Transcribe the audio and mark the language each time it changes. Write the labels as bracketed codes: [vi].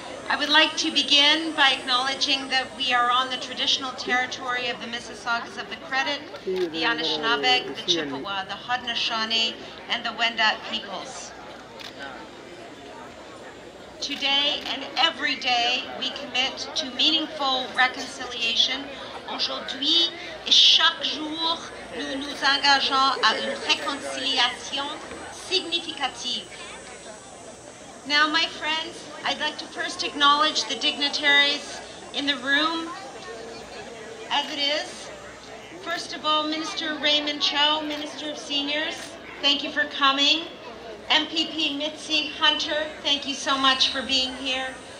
[en] I would like to begin by acknowledging that we are on the traditional territory of the Mississaugas of the Credit, the Anishinaabeg, the Chippewa, the Haudenosaunee, and the Wendat peoples. Today and every day, we commit to meaningful reconciliation. [fr] Aujourd'hui et chaque jour, nous nous engageons à une réconciliation significative. [en] Now, my friends, I'd like to first acknowledge the dignitaries in the room as it is. First of all, Minister Raymond Chow, Minister of Seniors, thank you for coming. MPP Mitzi Hunter, thank you so much for being here.